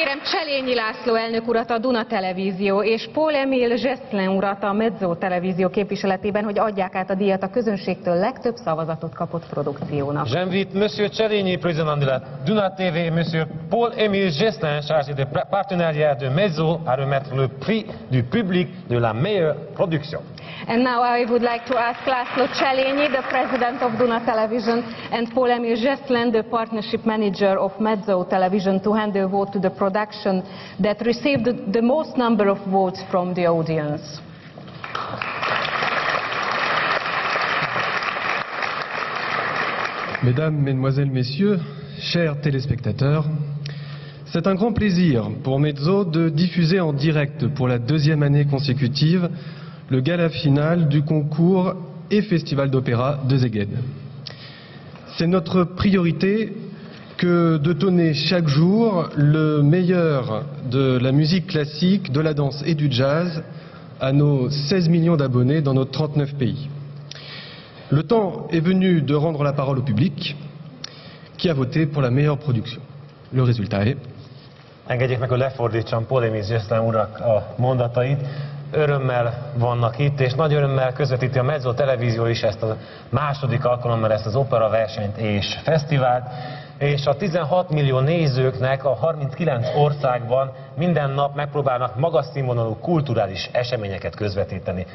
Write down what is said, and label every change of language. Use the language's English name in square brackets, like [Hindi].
[Hungarian] Cselényi László elnök urat a Duna Televízió és Paul-Emile Jesslen urat a Mezzo Televízió képviseletében, hogy adják át a díjat a közönségtől legtöbb szavazatot kapott produkciónak. [French] J'invite Monsieur Cselényi, président de la Duna TV, Monsieur Paul-Emile Jesslen, chargé de partenariat de Mezzo, à remettre le prix du public de la meilleure production. [English] And now I would like to ask László Cselényi, the president of Duna Television, and Paul-Emile Jesslen, the partnership manager of Mezzo Television, to hand the vote to the production that received the most number of votes from the audience. [French] Mesdames, Mesdemoiselles, Messieurs, chers téléspectateurs, c'est un grand plaisir pour Mezzo de diffuser en direct pour la deuxième année consécutive le gala final du concours et festival d'opéra de Szeged. C'est notre priorité que de donner chaque jour le meilleur de la musique classique, de la danse et du jazz à nos 16 millions d'abonnés dans nos 39 pays. Le temps est venu de rendre la parole au public qui a voté pour la meilleure production. Le résultat est... [Hungarian] Engedjék meg, hogy lefordítsam Paul-Emile Jesslen urak a mondatait. Örömmel vannak itt, és nagy örömmel közvetíti a Mezzo Televízió is ezt a második alkalommal ezt az opera versenyt és fesztivált. És a 16 millió nézőknek a 39 országban minden nap megpróbálnak magas színvonalú kulturális eseményeket közvetíteni.